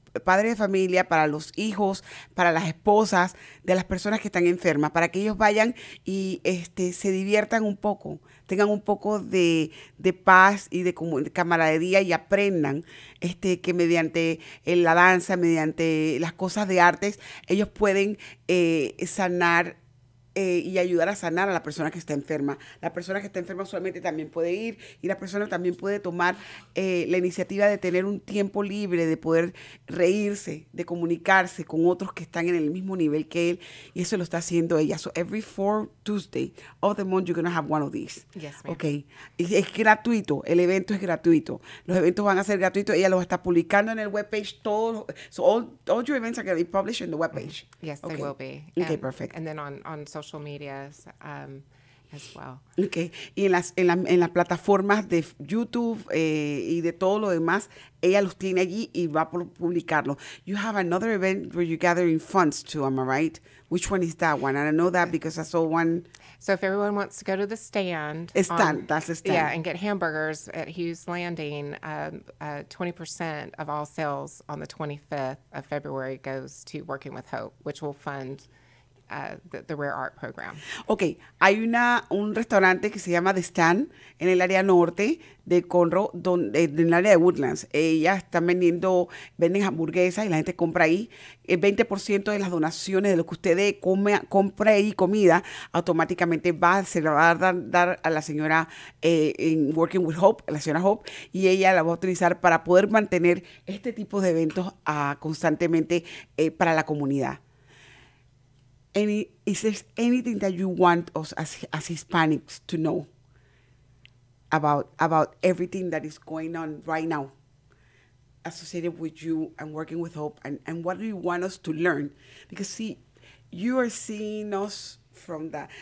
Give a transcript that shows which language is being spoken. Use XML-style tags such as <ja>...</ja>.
<es>padres de familia, para los hijos, para las esposas de las personas que están enfermas, para que ellos vayan y se diviertan un poco, tengan un poco de paz y de camaradería y aprendan que mediante la danza, mediante las cosas de artes, ellos pueden sanar y ayudar a sanar a la persona que está enferma. La persona que está enferma solamente también puede ir y la persona también puede tomar la iniciativa de tener un tiempo libre, de poder reírse, de comunicarse con otros que están en el mismo nivel que él, y eso lo está haciendo ella.</es> <en>So every fourth Tuesday of the month you're going to have one of these. Yes, ma'am.</en> <es>Okay. Es gratuito, el evento es gratuito. Los eventos van a ser gratuitos. Ella lo está publicando en el webpage.</es> <en>All your events are going to be published in the webpage. Mm-hmm. Yes, okay. They will be. Okay, perfect. And then on social medias as well.</en> <es>Okay. Y en las plataformas de YouTube y de todo lo demás, ella los tiene allí y va a publicarlo.</es> <en>You have another event where you're gathering funds too, am I right? Which one is that one? And I know that because I saw one. So if everyone wants to go to the stand. That's the stand. Yeah, and get hamburgers at Hughes Landing, 20% of all sales on the 25th of February goes to Working with Hope, which will fund the Rare Art Program.</en> <es>Okay, hay un restaurante que se llama The Stand en el área norte de Conroe, donde en el área de Woodlands. Ellas están venden hamburguesas y la gente compra ahí. El 20% de las donaciones de lo que ustedes compra ahí, comida, automáticamente se la va a dar a la señora en Working with Hope, la señora Hope, y ella la va a utilizar para poder mantener este tipo de eventos constantemente para la comunidad.</es> <en>Is there anything that you want us as Hispanics to know about everything that is going on right now associated with you and working with Hope? And what do you want us to learn? Because see, you are seeing us from that.</en>